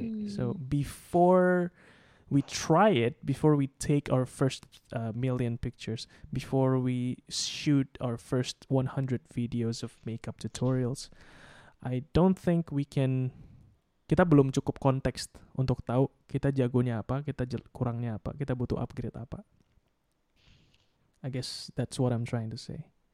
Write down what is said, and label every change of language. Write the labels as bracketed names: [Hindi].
[English] So before we try it, before we take our first 1,000,000 pictures, before we shoot our first 100 videos of makeup tutorials, I don't think we can. [Indonesian] Kita belum cukup konteks untuk tahu kita jagonya apa, kita kurangnya apa, kita butuh upgrade apa. [English] I guess that's what I'm trying to say.